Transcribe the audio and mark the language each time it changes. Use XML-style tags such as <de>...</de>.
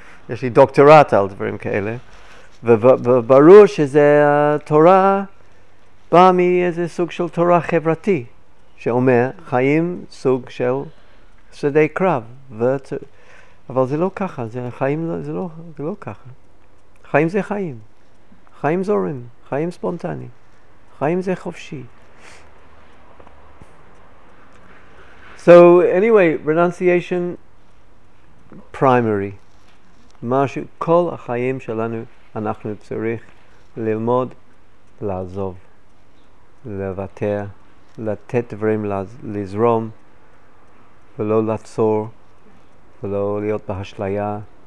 <he>יש לי דוקטורט על דברים כאלה, וברור שזה התורה באה מאיזה סוג של תורה חברתי, שאומר חיים סוג של שדה קרב, אבל זה לא ככה, זה לא ככה. חיים זה חיים, חיים זורם, חיים ספונטני, חיים זה חופשי.</he> <en>So anyway, renunciation primary.</en> <he>משהו, כל החיים שלנו אנחנו צריך ללמוד לעזוב, לוותר, לתת דברים לזרום ולא לעצור ולא להיות בהשליה.</he>